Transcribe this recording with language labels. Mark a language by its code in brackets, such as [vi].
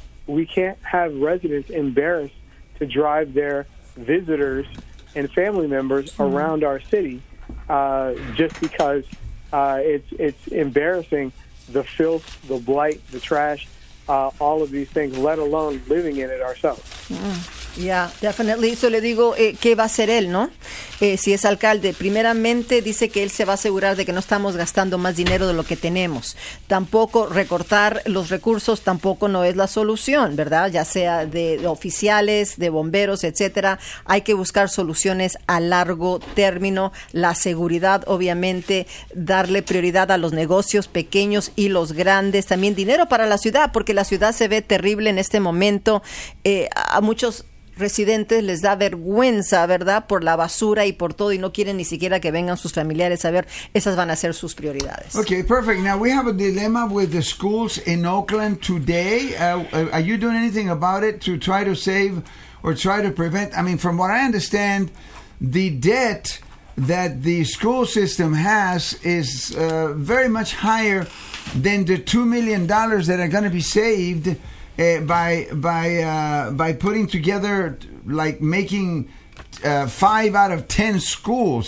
[en] We can't have residents embarrassed to drive their visitors and family members around our city just because it's embarrassing, the filth, the blight, the trash, all of these things, let alone living in it ourselves. Yeah, definitely. [es] So le digo, ¿qué va a hacer él, no? Si es alcalde, primeramente dice que él se va a asegurar de que no estamos gastando más dinero de lo que tenemos. Tampoco recortar los recursos tampoco no es la solución, ¿verdad? Ya sea de oficiales, de bomberos, etcétera. Hay que buscar soluciones a largo término. La seguridad, obviamente, darle prioridad a los negocios pequeños y los grandes. También dinero para la ciudad, porque la ciudad se ve terrible en este momento. A muchos residentes les da vergüenza, ¿verdad?, por la basura y por todo, y no quieren ni siquiera que vengan sus familiares a ver. Esas van a ser sus prioridades. [en] Okay, perfect. Now we have a dilemma with the schools in Oakland today. Are you doing anything about it to try to save or try to prevent? I mean, from what I understand, the debt that the school system has is very much higher than the $2 million that are going to be saved by putting together, like making 5 out of 10 schools.